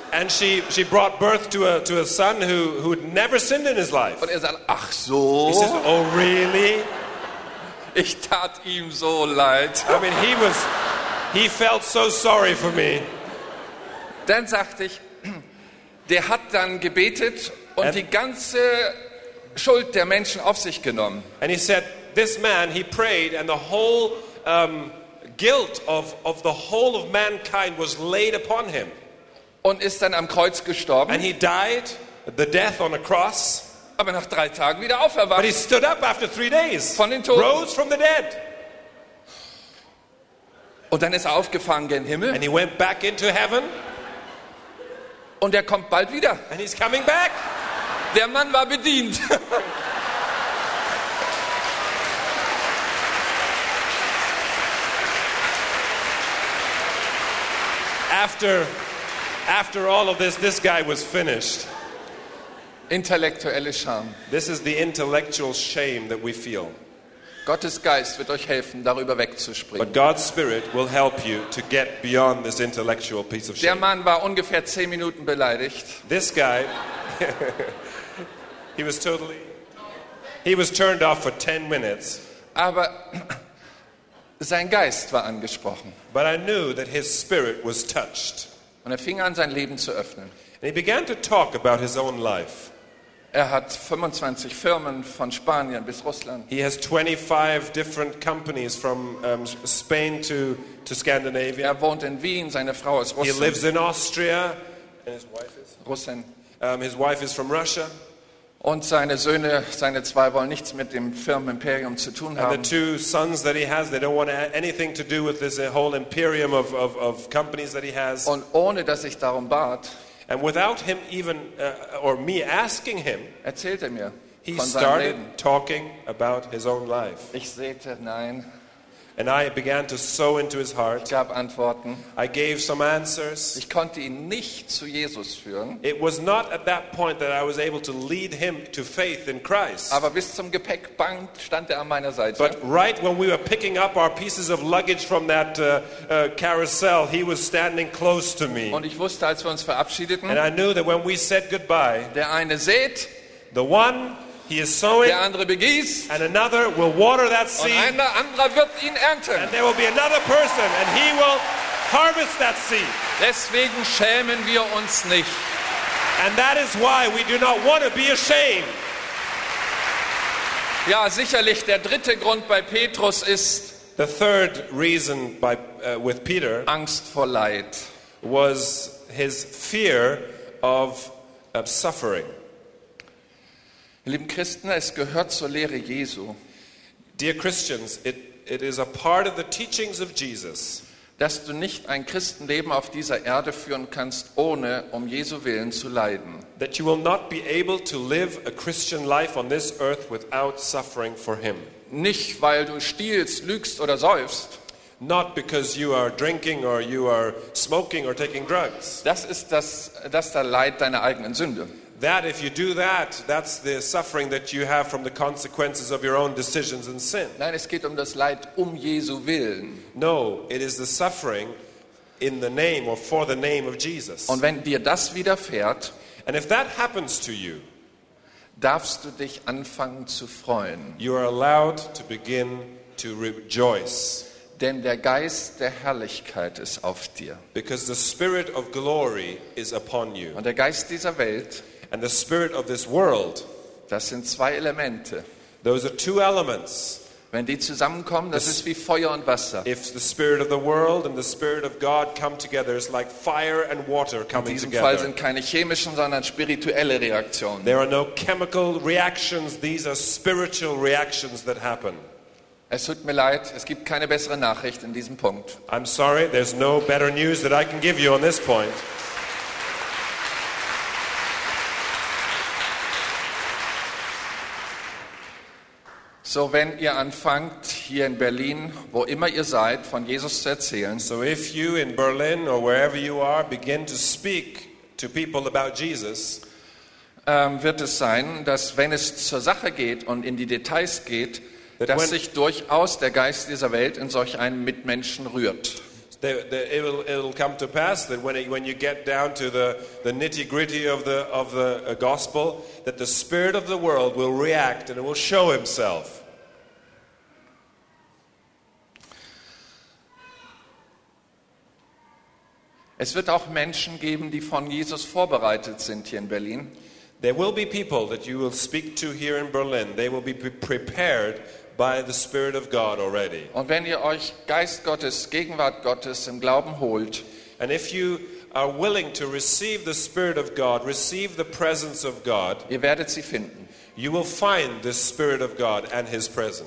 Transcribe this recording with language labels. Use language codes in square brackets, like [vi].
[en] And she brought birth to a son who had never sinned in his life. [de] Und er sagt, ach so. [en] He says, oh really? [de] Ich tat ihm so leid. [en] I mean, he felt so sorry for me. [de] Dann sagte ich, der hat dann gebetet und die ganze Schuld der Menschen auf sich genommen. [en] And he said, this man, he prayed and the whole guilt of the whole of mankind was laid upon him. [de] Und ist dann am Kreuz gestorben. [en] And he died the death on a cross. [de] Aber nach drei Tagen wieder auferwacht. [en] But he stood up after 3 days. [de] Von den Toten. [en] Rose from the dead. [de] Und dann ist er aufgefahren gen Himmel. [en] And he went back into heaven. [de] Und er kommt bald wieder. [en] And he's coming back. [de] Der Mann war bedient. [en] After all of this, this guy was finished. [de] Intellektuelle Scham. [en] This is the intellectual shame that we feel. [de] Gottes Geist wird euch helfen, darüber wegzuspringen. [en] But God's Spirit will help you to get beyond this intellectual piece of shame. [de] Der Mann war ungefähr 10 Minuten beleidigt. [en] This guy, he was turned off for 10 minutes. [de] Aber sein Geist war angesprochen. [en] But I knew that his spirit was touched. [de] Und er fing an, sein Leben zu öffnen. [en] And he began to talk about his own life. [de] Er hat 25 Firmen von Spanien bis Russland. [en] He has 25 different companies from Spain to Scandinavia. [de] Er wohnt in Wien, seine Frau ist Russin. [en] He lives in Austria. And his wife is [de] Russin. [en] His wife is from Russia. [de] Und seine Söhne, seine zwei, wollen nichts mit dem Firmenimperium zu tun haben. [en] And the two sons that he has, they don't want anything to do with this whole imperium of companies that he has. [de] Und ohne dass ich darum bat, [en] and without him even or me asking him, [de] erzählt er mir [en] he [de] von seinem [en] started [de] Leben. [en] Talking about his own life. [de] Ich sagte nein. [en] And I began to sow into his heart. [de] Ich gab Antworten. [en] I gave some answers. [de] Ich konnte ihn nicht zu Jesus führen. [en] It was not at that point that I was able to lead him to faith in Christ. [de] Aber bis zum Gepäckband stand er an meiner Seite. [en] But right when we were picking up our pieces of luggage from that carousel, he was standing close to me. [de] Und ich wusste, als wir uns verabschiedeten, [en] and I knew that when we said goodbye, [de] der eine sät, [en] the one he is sowing, [de] der andere begießt, [en] and another will water that seed, [de] und ein anderer wird ihn ernten. [en] And there will be another person, and he will harvest that seed. [de] Deswegen schämen wir uns nicht. [en] And that is why we do not want to be ashamed. [de] Ja, sicherlich der dritte Grund bei Petrus ist [en] the third reason by with Peter, [de] Angst vor Leid, [en] was his fear of suffering. [de] Lieben Christen, es gehört zur Lehre Jesu. [en] Dear Christians, it is a part of the teachings of Jesus, [de] dass du nicht ein Christenleben auf dieser Erde führen kannst, ohne um Jesu willen zu leiden. [en] That you will not be able to live a Christian life on this earth without suffering for him. [de] nicht weil du stiehlst, lügst oder säufst. [en] Not because you are drinking or you are smoking or taking drugs. [de] Das ist der Leid deiner eigenen Sünde. [en] That if you do that, that's the suffering that you have from the consequences of your own decisions and sin. [de] Nein, es geht um das Leid um Jesu Willen. [en] No, it is the suffering in the name or for the name of Jesus. [de] Und wenn dir das widerfährt, [en] and if that happens to you, [de] darfst du dich anfangen zu freuen. [en] You are allowed to begin to rejoice. [de] Denn der Geist der Herrlichkeit ist auf dir. [en] Because the Spirit of glory is upon you. [de] Und der Geist dieser Welt, [en] and the Spirit of this world, [de] das sind zwei Elemente. [en] Those are two elements. [de] Wenn die zusammenkommen, das ist wie Feuer und Wasser. [en] If the Spirit of the world and the Spirit of God come together, it's like fire and water coming together. [de] In diesem Fall sind keine chemischen, sondern spirituelle Reaktionen. [en] There are no chemical reactions. These are spiritual reactions that happen. [de] Es tut mir leid, es gibt keine bessere Nachricht in diesem Punkt. [en] I'm sorry, there's no better news that I can give you on this point. [de] So wenn ihr anfangt hier in Berlin, wo immer ihr seid, von Jesus zu erzählen, [en] so if you in Berlin or wherever you are begin to speak to people about Jesus, [de] wird es sein, dass wenn es zur Sache geht und in die Details geht, dass sich durchaus der Geist dieser Welt in solch einem Mitmenschen rührt. [en] It'll come to pass that when you get down to the nitty-gritty of the gospel, that the spirit of the world will react and it will show himself. [de] Es wird auch Menschen geben, die von Jesus vorbereitet sind hier in Berlin. [en] There will be people that you will speak to here in Berlin. They will be prepared by the Spirit of God already. [de] Und wenn ihr euch Geist Gottes, Gegenwart Gottes im Glauben holt, [en] and if you are willing to receive the Spirit of God, receive the presence of God, [de] ihr werdet sie finden. [en] You will find the Spirit of God and his presence.